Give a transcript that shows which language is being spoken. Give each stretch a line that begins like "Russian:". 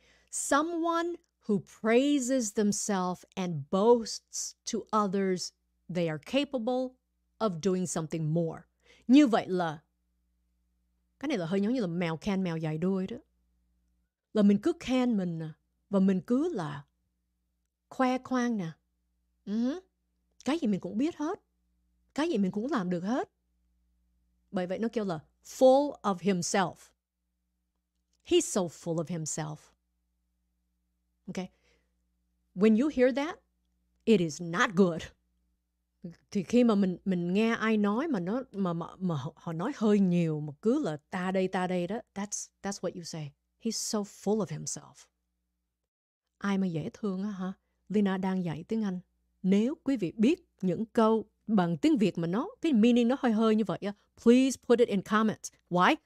English: Someone who praises themselves and boasts to others they are capable of doing something more.
Vietnamese: Như vậy là... Cái này là hơi giống như là mèo khen mèo dài đuôi đó. Là mình cứ khen mình nè. Và mình cứ là khoe khoang nè. Cái gì mình cũng biết hết. Cái gì mình cũng làm được hết. Bởi vậy nó kêu là full of himself.
English: He's so full of himself. Okay. When you hear that, it is not good.
Vietnamese: Thì khi mà mình nghe ai nói mà nó mà họ nói hơi nhiều mà cứ là ta đây đó,
English: that's what you say. He's so full of himself.
Vietnamese: Ai mà dễ thương á hả? Lina đang dạy tiếng Anh. Nếu quý vị biết những câu bằng tiếng Việt mà nó cái meaning nó hơi như vậy á,
English: please put it in comments. Why?